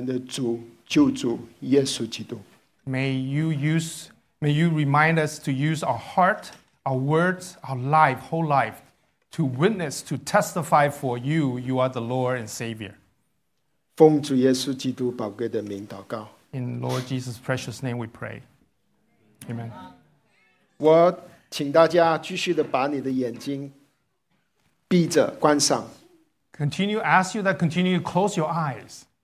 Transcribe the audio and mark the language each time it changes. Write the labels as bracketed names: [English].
[Chinese] 好让我们用心，我们的心，我们的口，我们的一生，来见证你是我们的主，救主耶稣基督。 [English] May you remind us to use our heart, our words, our life, whole life, to witness, to testify for you. You are the Lord and Savior. [Chinese] 奉主耶稣基督宝贵的名祷告。 [English] In Lord Jesus' precious name, we pray. Amen. [Chinese] 我请大家继续的把你的眼睛闭着关上。 [English] Continue ask you that continue to close your eyes.